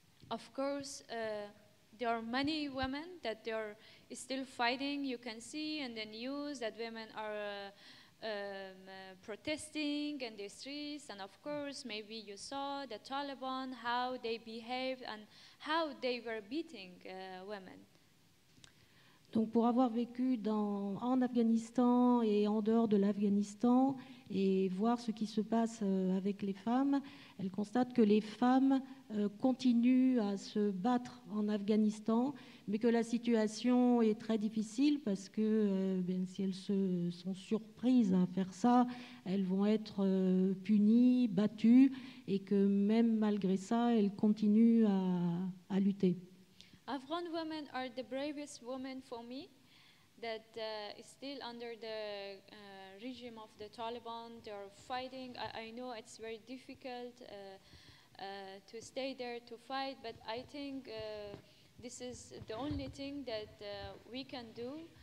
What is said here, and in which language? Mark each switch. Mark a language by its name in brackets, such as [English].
[English] Of course, there are many women that they are still fighting. You can see in the news that women are protesting in the streets. And of course, maybe you saw the Taliban, how they behaved and how they were beating women. [French] Donc pour avoir vécu en Afghanistan et en dehors de l'Afghanistan et voir ce qui se passe avec les femmes, elle constate que les femmes continuent à se battre en Afghanistan, mais que la situation est très difficile parce que bien, si elles sont surprises à faire ça, elles vont être punies, battues, et que même malgré ça, elles continuent à lutter. [English] Afghan women are the bravest women for me that is still under the regime of the Taliban. They are fighting. I know it's very difficult to stay there to fight, but I think this is the only thing that we can do.